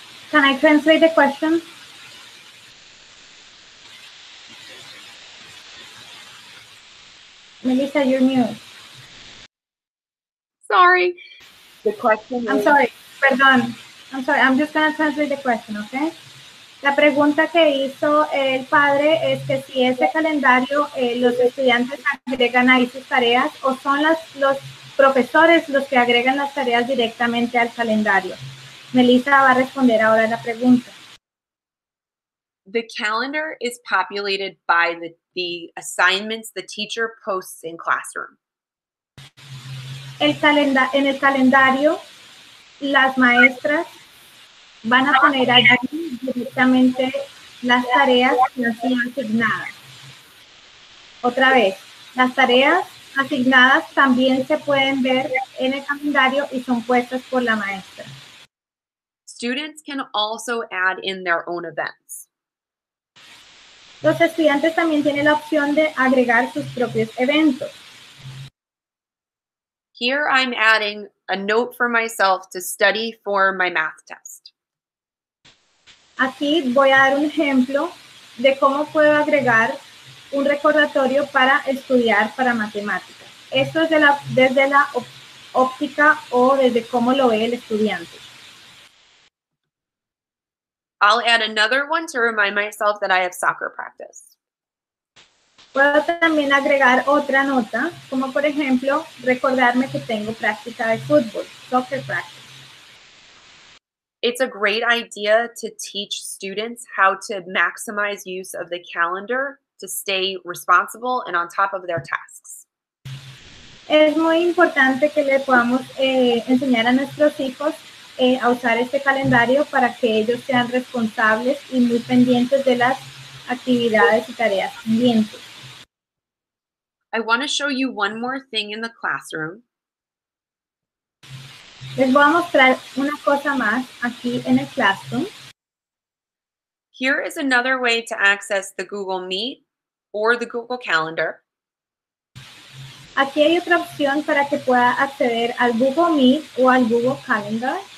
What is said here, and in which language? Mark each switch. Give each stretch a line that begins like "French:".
English: can I translate the question? Melissa, you're mute. Sorry. The question I'm sorry.
Spanish: Perdón.
English: I'm sorry, I'm just going to translate the question, okay?
Spanish: La pregunta que hizo el padre es que si ese calendario los estudiantes agregan ahí sus tareas o son los profesores los que agregan las tareas directamente al calendario. Melissa va a responder ahora la pregunta.
English: The calendar is populated by the assignments the teacher posts in classroom.
Spanish: En el calendario, las maestras van a poner allí directamente las tareas que han sido asignadas. Otra vez, las tareas asignadas también se pueden ver en el calendario y son puestas por la maestra.
English: Students can also add in their own events.
Spanish: Los estudiantes también tienen la opción de agregar sus propios eventos.
English: Here I'm adding a note for myself to study for my math test.
Spanish: Aquí voy a dar un ejemplo de cómo puedo agregar un recordatorio para estudiar para matemáticas. Esto es desde la óptica o desde cómo lo ve el estudiante.
English: I'll add another one to remind myself that I have soccer practice.
Spanish: Puedo también agregar otra nota, como por ejemplo, recordarme que tengo práctica de fútbol,
English: soccer practice. It's a great idea to teach students how to maximize use of the calendar to stay responsible and on top of their tasks.
Spanish: Es muy importante que le podamos enseñar a nuestros hijos a usar este calendario para que ellos sean responsables y muy pendientes de las actividades y tareas pendientes.
English: I want to show you one more thing in the classroom.
Spanish: Les voy a mostrar una cosa más aquí en el classroom.
English: Here is another way to access the Google Meet or the Google Calendar.
Spanish: Aquí hay otra opción para que pueda acceder al Google Meet o al Google Calendar.